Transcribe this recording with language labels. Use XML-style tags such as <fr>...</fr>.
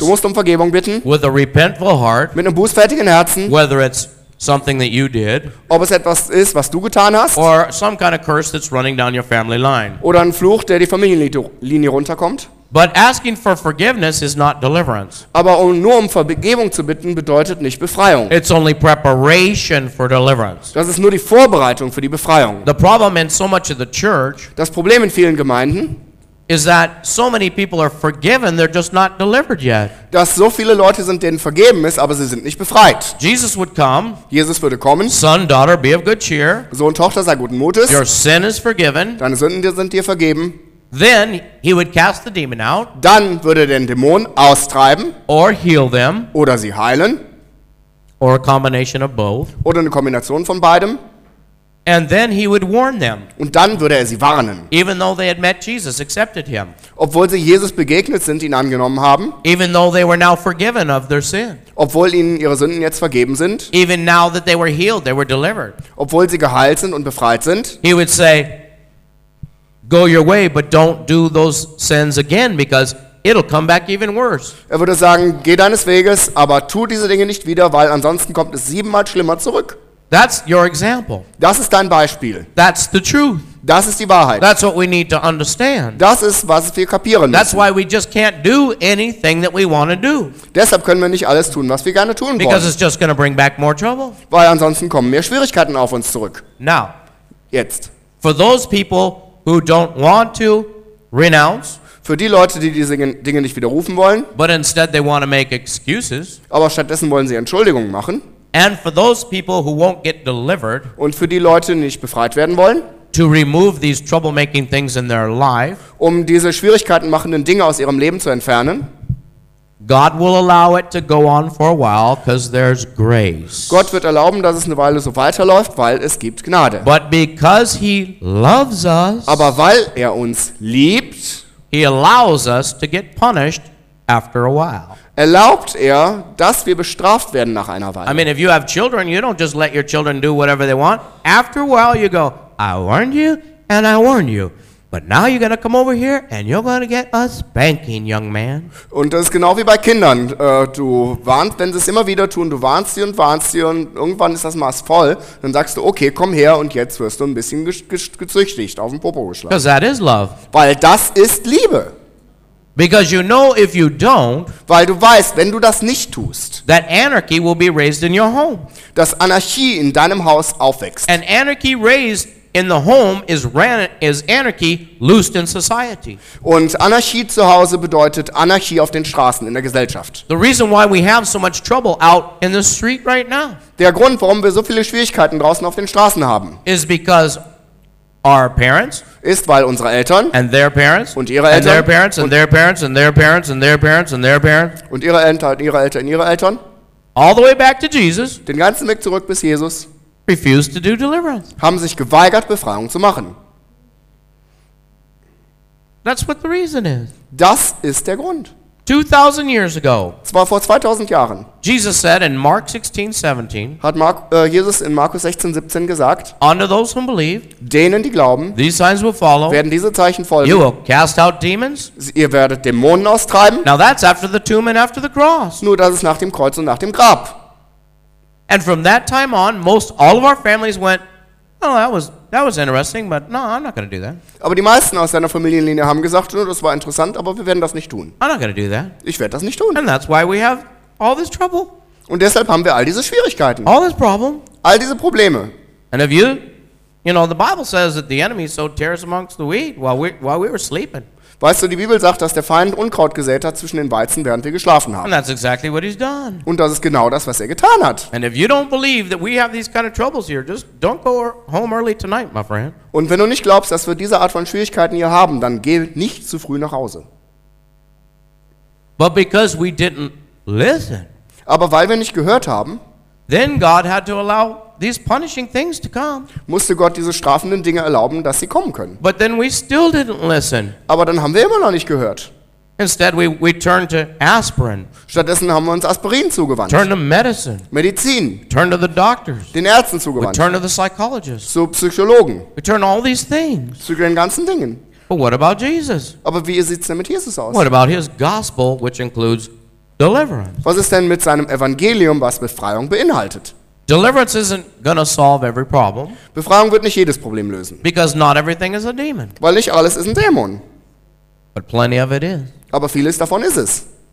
<de>Du musst um Vergebung bitten.</de> <en>With a repentful heart.</en> <de>Mit einem bußfertigen Herzen.</de> <en>Whether it's something that you did.</en> <de>Ob es etwas ist, was du getan hast.</de> <en>Or some kind of curse that's running down your family line.</en> <de>Oder ein Fluch, der die Familienlinie runterkommt.</de> <en>But asking for forgiveness is not deliverance.</en> <de>Aber nur um Vergebung zu bitten bedeutet nicht Befreiung.</de> <en>It's only preparation for deliverance.</en> <de>Das ist nur die Vorbereitung für die Befreiung.</de> <en>The problem in so much of the church,</en> <de>das Problem in vielen Gemeinden,</de> <en>is that so many people are forgiven, they're just not delivered yet.</en> <de>Dass so viele Leute sind, denen vergeben ist, aber sie sind nicht befreit.</de> <en>Jesus would come.</en> <de>Jesus würde kommen.</de> <en>Son, daughter, be of good cheer.</en> <de>Sohn, Tochter, sei guten Mutes.</de> <en>Your sin is forgiven.</en> <de>Deine Sünden sind dir vergeben.</de> <en>Then he would cast the demon out.</en> <de>Dann würde er den Dämon austreiben.</de> <en>Or heal them.</en> <de>Oder sie heilen.</de> <en>Or a combination of both.</en> <de>Oder eine Kombination von beidem.</de> <en>And then he would warn them.</en> <de>Und dann würde er sie warnen.</de> <en>Even though they had met Jesus, accepted him.</en> <de>Obwohl sie Jesus begegnet sind, ihn angenommen haben.</de> <en>Even though they were now forgiven of their sin.</en> <de>Obwohl ihnen ihre Sünden jetzt vergeben sind.</de> <en>Even now that they were healed, they were delivered.</en> <de>Obwohl sie geheilt sind und befreit sind.</de> <en>He would say, go your way, but don't do those sins again, because it'll come back even worse.</en> <de>Er würde sagen, geh deines Weges, aber tu diese Dinge nicht wieder, weil ansonsten kommt es siebenmal schlimmer zurück.</de> <en>That's your example.</en> <de>Das ist dein Beispiel.</de> <en>That's the truth.</en> <de>Das ist die Wahrheit.</de> <en>That's what we need to understand.</en> <de>Das ist, was wir kapieren müssen.</de> <en>That's why we just can't do anything that we want to do.</en> <de>Deshalb können wir nicht alles tun, was wir gerne tun wollen.</de> <en>Because it's just going to bring back more trouble.</en> <de>Weil ansonsten kommen mehr Schwierigkeiten auf uns zurück.</de> <en>Now.</en> <de>Jetzt.</de> <en>For those people who don't want to renounce.</en> <de>Für die Leute, die diese Dinge nicht widerrufen wollen.</de> <en>But instead they want to make excuses.</en> <de>Aber stattdessen wollen sie Entschuldigungen machen.</de> <en>And for those people who won't get delivered,</en> <de>und für die Leute, die nicht befreit werden wollen,</de> <en>to remove these troublemaking things in their life,</en> <de>um diese Schwierigkeiten machenden Dinge aus ihrem Leben zu entfernen,</de> <en>God will allow it to go on for a while because there's grace.</en> <de>Gott wird erlauben, dass es eine Weile so weiterläuft, weil es gibt Gnade.</de> <en>But because he loves us,</en> <de>aber weil er uns liebt,</de> <en>he allows us to get punished after a while.</en> <de>Erlaubt er, dass wir bestraft werden nach einer Weile.</de> <en>I mean, if you have children, you don't just let your children do whatever they want. After a while, you go, I warned you and I warned you. But now you're gonna come over here and you're gonna get a spanking, young man.</en> <de>Und das ist genau wie bei Kindern. Du warnst, wenn sie es immer wieder tun, du warnst sie und irgendwann ist das Maß voll. Dann sagst du, okay, komm her und jetzt wirst du ein bisschen gezüchtigt, auf den Popo geschlagen.</de> <en>Because that is love.</en> <de>Weil das ist Liebe.</de> <en>Because you know if you don't,</en> <de>weil du weißt, wenn du das nicht tust,</de> <en>that anarchy will be raised in your home.</en> <de>Dass Anarchie in deinem Haus aufwächst.</de> <en>And anarchy raised in the home is anarchy loosed in society.</en> <de>Und Anarchie zu Hause bedeutet Anarchie auf den Straßen in der Gesellschaft.</de> <en>The reason why we have so much trouble out in the street right now.</en> <de>Der Grund, warum wir so viele Schwierigkeiten draußen auf den Straßen haben,</de> <en>is because our parents,</en> <de>ist weil unsere Eltern</de> <en>and their parents,</en> <de>und ihre Eltern</de> <en>and their parents and their parents and their parents and their parents and their parents</en> <de>und ihre Eltern und ihre Eltern und ihre Eltern</de> <en>all the way back to Jesus,</en> <de>den ganzen Weg zurück bis Jesus,</de> <en>refused to do deliverance,</en> <de>haben sich geweigert, Befreiung zu machen.</de> <en>That's what the reason is.</en> <de>Das ist der Grund.</de> <en>2000 years ago.</en> <de>Zwar vor 2000 Jahren.</de> <en>Jesus said in Mark 16:17.</en> <de>Hat Jesus in Markus 16:17 gesagt.</de> <en>Unto those who believe.</en> <de>Denen, die glauben.</de> <en>These signs will follow.</en> <de>Werden diese Zeichen folgen.</de> <en>You will cast out demons.</en> <de>Ihr werdet Dämonen austreiben.</de> <en>Now that's after the tomb and after the cross.</en> <de>Nur das ist nach dem Kreuz und nach dem Grab.</de> <en>And from that time on, most all of our families went, oh, that was interesting, but no, I'm not going to do that.</en> <de>Aber die meisten aus seiner Familienlinie haben gesagt, no, das war interessant, aber wir werden das nicht tun.</de> <en>I'm not going to do that.</en> <de>Ich werde das nicht tun.</de> <en>And that's why we have all this trouble.</en> <de>Und deshalb haben wir all diese Schwierigkeiten.</de> <en>All this problem.</en> <de>All diese Probleme.</de> <en>And if you know, the Bible says that the enemy sowed tares amongst the wheat while we were sleeping.</en> <de>Weißt du, die Bibel sagt, dass der Feind Unkraut gesät hat zwischen den Weizen, während wir geschlafen haben.</de> <en>And that's exactly what he's done.</en> <de>Und das ist genau das, was er getan hat.</de> <en>And if you don't believe that we have these kind of troubles here, just don't go home early tonight, my friend.</en> <de>Und wenn du nicht glaubst, dass wir diese Art von Schwierigkeiten hier haben, dann geh nicht zu früh nach Hause.</de> <en>But because we didn't listen.</en> <de>Aber weil wir nicht gehört haben,</de> <en>then God had to allow these punishing things to come.</en> <de>Musste Gott diese strafenden Dinge erlauben, dass sie kommen können.</de> <en>But then we still didn't listen.</en> <de>Aber dann haben wir immer noch nicht gehört.</de> <en>Instead we turned to aspirin.</en> <de>Stattdessen haben wir uns Aspirin zugewandt.</de> <en>Turned to medicine.</en> <de>Medizin.</de> <en>Turned to the doctors.</en> <de>Den Ärzten zugewandt.</de> <en>We turned to the psychologists.</en> <de>Zu Psychologen.</de> <en>We turned all these things.</en> <de>Zu den ganzen Dingen.</de> <en>But what about Jesus?</en> <de>Aber wie sieht's denn mit Jesus aus?</de> <en>What about his gospel, which includes deliverance?</en> <de>Was ist denn mit seinem Evangelium, was Befreiung beinhaltet?</de> <en>Deliverance isn't gonna solve every problem.</en> <de>Befreiung wird nicht jedes Problem lösen.</de> <en>Because not everything is a demon.</en> <de>Weil nicht alles ist ein Dämon.</de> <en>But plenty of it is.</en> <de>Aber vieles davon ist es.</de>